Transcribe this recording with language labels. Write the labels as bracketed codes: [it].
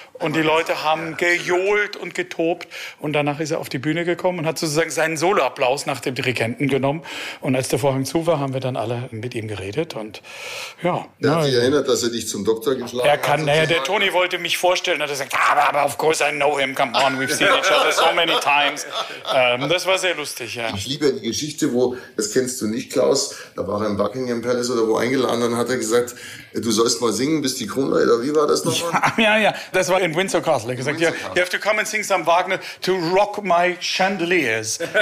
[de] Und die Leute haben gejohlt und getobt. Und danach ist er auf die Bühne gekommen und hat sozusagen seinen Soloapplaus nach dem Dirigenten genommen. Und als der Vorhang zu war, haben wir dann alle mit ihm geredet. Und ja. Der hat sich erinnert, dass er dich zum Doktor geschlagen hat. Der Toni wollte mich vorstellen. Hat er gesagt, aber [en] of course I know him. Come on, we've seen each other so many times. [de] Das war sehr lustig, ja. Ich liebe die Geschichte, wo, das kennst du nicht, Klaus, da war er im Buckingham Palace oder wo eingeladen, dann hat er gesagt, du sollst mal singen, bis die Krone, oder wie war das nochmal? Ja, das war in Windsor Castle. Er hat gesagt, [en] you have to come and sing some Wagner to rock my chandeliers.